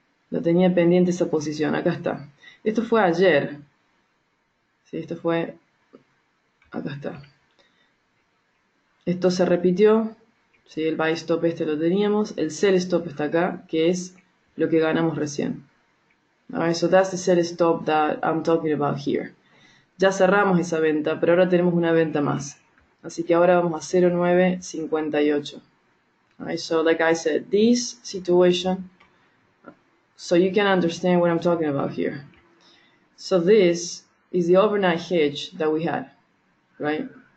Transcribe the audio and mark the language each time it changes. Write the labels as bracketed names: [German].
[Spanish] Lo tenía pendiente esa posición, acá está. Esto fue ayer. Sí, esto fue, acá está. Esto se repitió. Sí, el buy stop este lo teníamos. El sell stop está acá, que es lo que ganamos recién. [English] Alright, so that's the sell stop that I'm talking about here. [Spanish] Ya cerramos esa venta, pero ahora tenemos una venta más. Así que ahora vamos a 0,958. [English] Alright, so like I said, this situation, so you can understand what I'm talking about here. So this is the overnight hedge that we had, right?